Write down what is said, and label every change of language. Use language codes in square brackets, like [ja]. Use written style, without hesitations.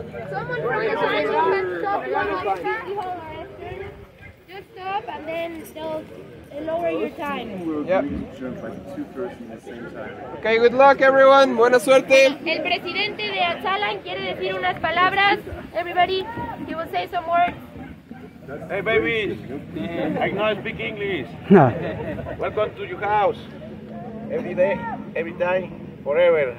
[en] Someone from the line can stop you above City Hall or Eastern. Just stop and then they'll lower your time. Yep. Okay, good luck everyone. [es] Buena suerte. El presidente de Atalan quiere decir unas palabras. [en] Everybody, he will say some words. Hey baby, I cannot speak English. No. Welcome to your house. Every day, every time, forever.